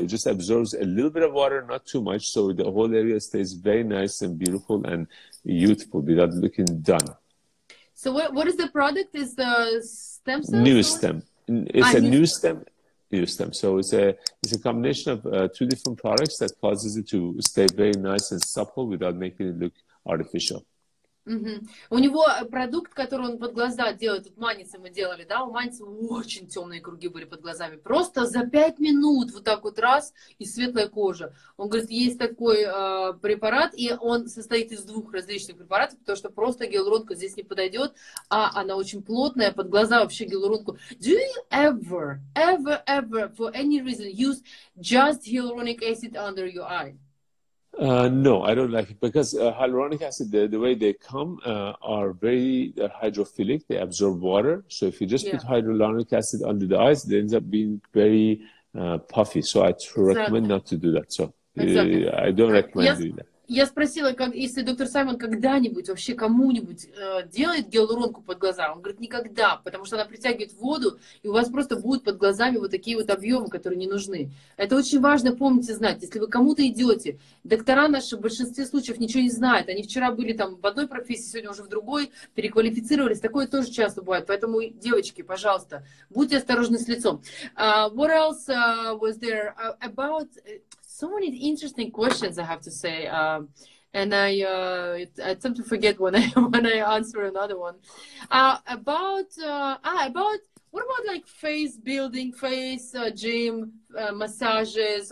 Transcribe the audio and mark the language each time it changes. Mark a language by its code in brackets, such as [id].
[en] It just absorbs a little bit of water, not too much, so the whole area stays very nice and beautiful and youthful without looking done. So what is the product? Is the stem cell? New stem. It's a new stem. New stem. So it's a combination of two different products that causes it to stay very nice and supple without making it look artificial. Угу. [ru] У него продукт, который он под глаза делает, тут Манице мы делали, да, у Манницы очень темные круги были под глазами, просто за 5 минут вот так вот раз и светлая кожа. Он говорит, есть такой препарат, и он состоит из двух различных препаратов, потому что просто гиалуронка здесь не подойдет, а она очень плотная, под глаза вообще гиалуронку. [en] Do you ever, for any reason, use just hyaluronic acid under your eye? No, I don't like it because hyaluronic acid, the way they come, are very hydrophilic. They absorb water. So if you just put hyaluronic acid under the eyes, it ends up being very puffy. So I recommend not to do that. So I don't recommend doing that. [ru] Я спросила, как, если доктор Саймон когда-нибудь вообще кому-нибудь делает гиалуронку под глаза. Он говорит, никогда, потому что она притягивает воду, и у вас просто будут под глазами вот такие вот объемы, которые не нужны. Это очень важно помнить и знать. Если вы кому-то идете, доктора наши в большинстве случаев ничего не знают. Они вчера были там в одной профессии, сегодня уже в другой, переквалифицировались. Такое тоже часто бывает. Поэтому, девочки, пожалуйста, будьте осторожны с лицом. [en] What else was there about... So many interesting questions, I have to say, and I tend to forget when I answer another one. What about like face building, face gym massages?